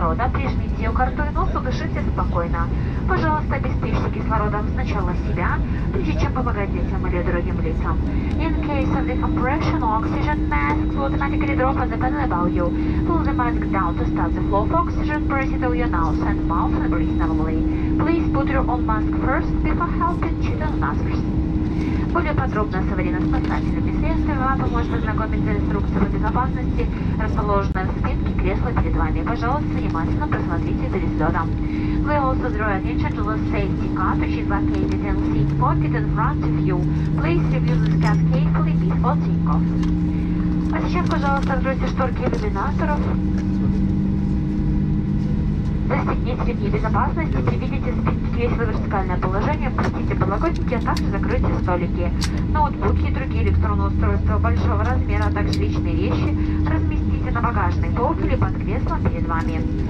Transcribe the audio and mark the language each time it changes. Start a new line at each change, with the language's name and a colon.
Russian: прижмите ее к рту и носу, дышите спокойно. Пожалуйста, обеспечьте кислородом сначала себя, прежде чем помогать детям или другим лицам.
English: In case of decompression, oxygen masks will automatically drop on the panel above you. Pull the mask down to start the flow of oxygen, breathe through your nose and mouth and breathe normally. Please put your own mask first before helping children others.
Russian: Более подробно с аварийно-спасательными средствами вам поможет ознакомиться с инструкцией безопасности, расположенной в спинке кресла перед вами. Пожалуйста, внимательно просмотрите перед взором.
English: We also draw attention to the safety card, which is located in seat pocket in front of you. Please review this card carefully before take-off.
Russian: А сейчас, пожалуйста, откройте шторки иллюминаторов. Застегните ремни безопасности, приведите спинки кресла в вертикальное положение, опустите подлокотники, а также закройте столики. Ноутбуки и другие электронные устройства большого размера, а также личные вещи разместите на багажной полке или под креслом перед вами.